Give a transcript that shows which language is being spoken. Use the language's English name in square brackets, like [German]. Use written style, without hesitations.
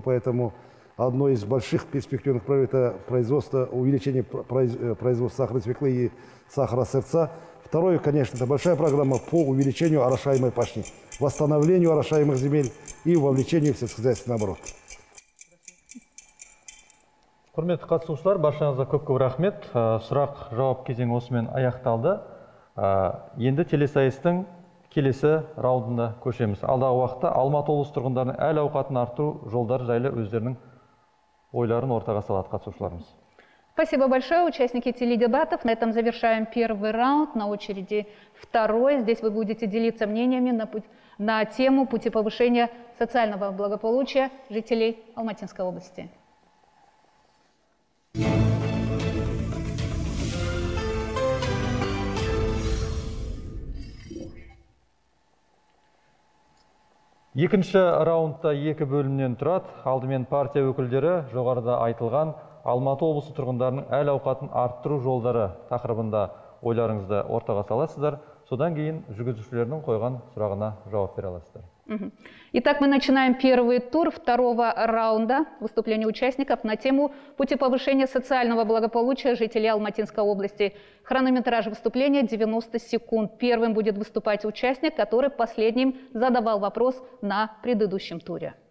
[Russian] Поэтому одно из больших перспективных проектов – это производство, увеличение производства сахарной свеклы и сахара сердца. Второе, конечно, это большая программа по увеличению орошаемой пашни, восстановлению орошаемых земель и вовлечению в сельскохозяйственный оборот. [Kazakh] Құрметті қатысушылар, баршаңызға көп-көп рахмет. Сұрақ-жауап кезең осымен аяқталды. Енді телесайыстың келесі раундында көшеміз. Алдағы уақытта Алматы облысы тұрғындарының әл-ауқатын арту жолдары жайлы өздерінің ойларын ортаға салады қатысушыларымыз. [Russian] Спасибо большое, участники теледебатов. На этом завершаем первый раунд. На очереди второй. Здесь вы будете делиться мнениями на тему пути повышения социального благополучия жителей Алматинской области. [Kazakh] Екінші раундта екі бөлімнен тұрады. Алдымен партия өкілдері жоғарыда айтылған Алматы облысы тұрғындарының әл-ауқатын арттыру жолдары тақырыбында ойларыңызды ортаға саласыздар. Содан кейін жүргізушілердің қойған сұрағына жауап бере аласыздар. [Russian] Итак, мы начинаем первый тур второго раунда выступления участников на тему «Пути повышения социального благополучия жителей Алматинской области». Хронометраж выступления 90 секунд. Первым будет выступать участник, который последним задавал вопрос на предыдущем туре.